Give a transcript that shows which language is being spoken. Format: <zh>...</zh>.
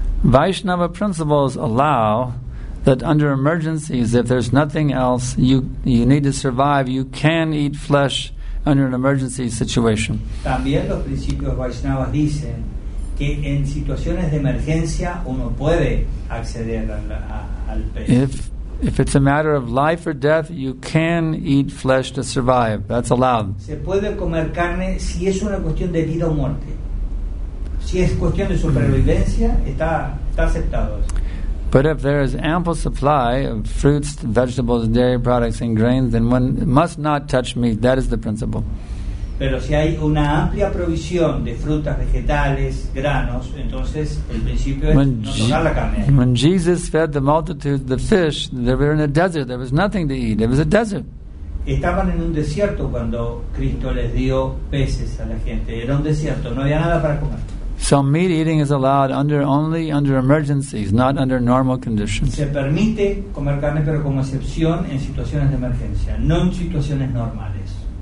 <en>Vaishnava principles allow that under emergencies, if there's nothing else you need to survive, you can eat flesh under an emergency situation.</en> <es>También los principios Vaishnavas dicen que en situaciones de emergencia uno puede acceder al pez.</es> <en>If it's a matter of life or death, you can eat flesh to survive. That's allowed.</en> <es>Se puede comer carne si es una cuestión de vida o muerte. Si es cuestión de supervivencia, está aceptado.</es> <en>But if there is ample supply of fruits, vegetables, dairy products, and grains, then one must not touch meat. That is the principle.</en> <es>Pero si hay una amplia provisión de frutas, vegetales, granos, entonces el principio es no tocar la carne.</es> <en>When Jesus fed the multitude the fish, they were in a desert. There was nothing to eat. It was a desert.</en> <es>Estaban en un desierto cuando Cristo les dio peces a la gente. Era un desierto. No había nada para comer.</es> <en>So meat eating is allowed only under emergencies, not under normal conditions.</en> <es>Se permite comer carne, pero como excepción en situaciones de emergencia, no en situaciones normales.</es>